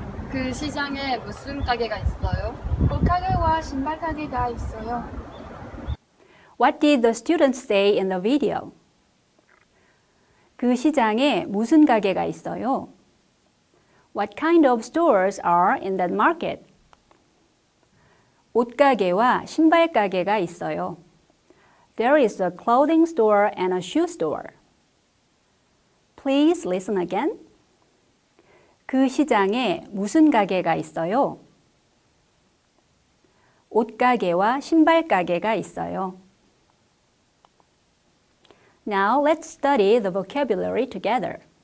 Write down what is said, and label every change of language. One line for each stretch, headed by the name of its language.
Korean: 그 시장에 무슨 가게가 있어요? 옷가게와 신발가게가 있어요.
English: What did the student say in the video?
Korean: 그 시장에 무슨 가게가 있어요?
English: What kind of stores are in that market?
Korean: 옷가게와 신발가게가 있어요.
English: There is a clothing store and a shoe store. Please listen again.
Korean: 그 시장에 무슨 가게가 있어요? 옷가게와 신발가게가 있어요.
English: Now let's study the vocabulary together.